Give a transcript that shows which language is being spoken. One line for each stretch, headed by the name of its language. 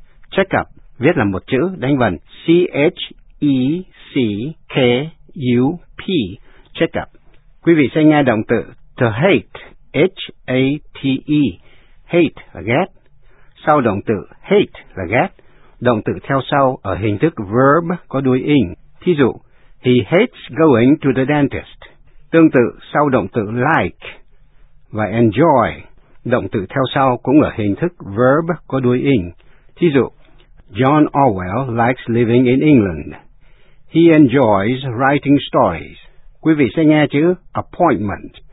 Vietnamese: Checkup viết là một chữ đánh vần C-H-E-C-K-U-P, checkup. Quý vị sẽ nghe động từ to hate, H-A-T-E, hate là ghét. Sau động từ hate là ghét, động từ theo sau ở hình thức verb có đuôi ing. Thí dụ,
English: he hates going to the dentist.
Vietnamese: Tương tự sau động từ like và enjoy, động từ theo sau cũng ở hình thức verb có đuôi ing. Thí dụ,
English: John Orwell likes living in England. He enjoys writing stories.
Vietnamese: Quý vị sẽ nghe chữ appointment.